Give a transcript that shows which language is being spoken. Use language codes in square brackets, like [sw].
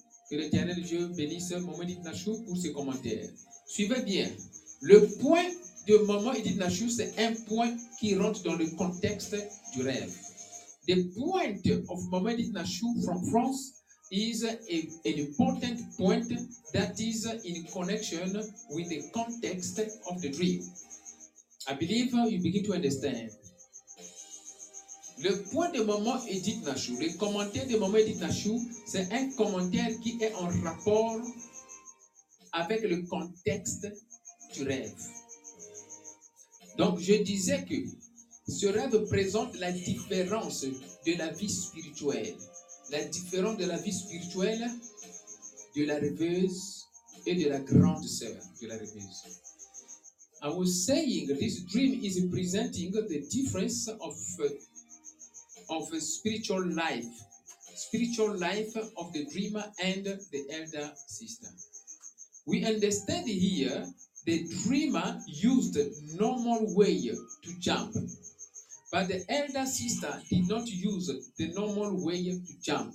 [fr] Que l'Éternel Dieu bénisse Maman Edith Nashu pour ses commentaires. Suivez bien. Le point de Maman Edith Nashu, c'est un point qui rentre dans le contexte du rêve. [en] The point of Maman Edith Nashu from France is an important point that is in connection with the context of the dream. I believe you begin to understand. [fr] Le point de Maman Edith Nashu, le commentaire de Maman Edith Nashu, c'est un commentaire qui est en rapport avec le contexte du rêve. Donc, je disais que ce rêve présente la différence de la vie spirituelle. La différence de la vie spirituelle de la rêveuse et de la grande sœur de la rêveuse. [en] I was saying this dream is presenting the difference of a spiritual life of the dreamer and the elder sister. We understand here the dreamer used normal way to jump, but the elder sister did not use the normal way to jump.